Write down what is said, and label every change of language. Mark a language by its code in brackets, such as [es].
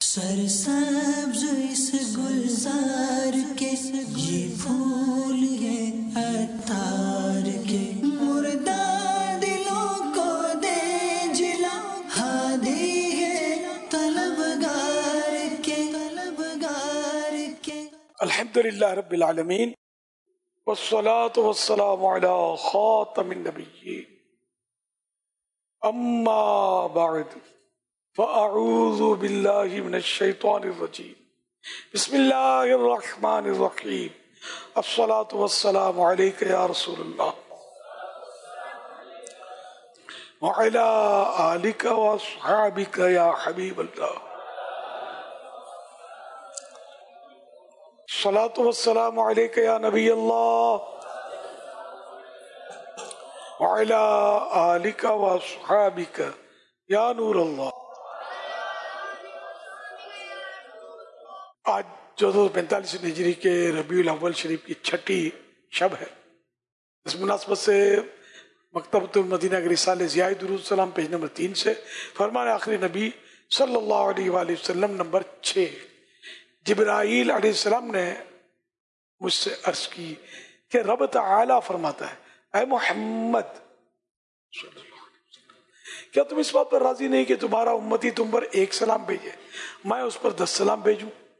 [ur] سر سبز اس گلزار کے یہ پھول ہے عطار کے مردہ دلوں کو دے جلا ہادی ہے طلبگار کے طلبگار کے [ar] الحمدللہ رب العالمین والصلاة والسلام علی خاتم النبیین اما بعد فأعوذ بالله من الشيطان الرجيم بسم الله الرحمن الرحيم الصلاة والسلام عليك يا رسول الله وعلى آلك وأصحابك يا حبيب الله الصلاة والسلام عليك يا نبي الله وعلى آلك وأصحابك يا نور الله [ur] آج 1445 ہجری کے ربیع الاول شریف کی چھٹی شب ہے. اس مناسبت سے مکتبۃ المدینہ کے رسالہ ضیاء درود السلام پیج نمبر 3 سے فرمان آخری نبی صلی اللہ علیہ وآلہ وسلم نمبر 6 جبرائیل علیہ السلام نے مجھ سے عرض کی کہ رب تعالیٰ فرماتا ہے اے محمد صلی اللہ علیہ وسلم کیا تم اس بات پر راضی نہیں کہ تمہارا امتی تم پر ایک سلام بھیجے میں اس پر 10 سلام بھیجوں.